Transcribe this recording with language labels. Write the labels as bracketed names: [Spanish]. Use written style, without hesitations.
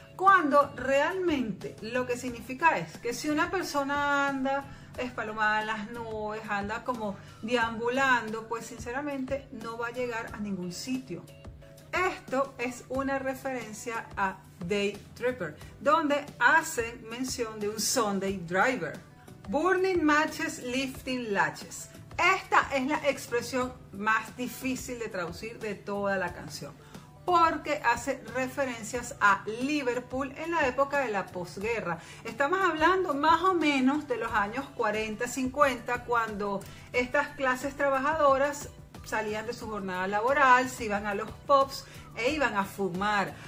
[Spanish] Cuando realmente lo que significa es que si una persona anda espalomada en las nubes, anda como deambulando, pues sinceramente no va a llegar a ningún sitio. Esto es una referencia a Day Tripper, donde hacen mención de un Sunday driver. [English] Burning matches, lifting latches. [Spanish] Esta es la expresión más difícil de traducir de toda la canción, porque hace referencias a Liverpool en la época de la posguerra. Estamos hablando más o menos de los años 40-50, cuando estas clases trabajadoras salían de su jornada laboral, se iban a los pubs e iban a fumar.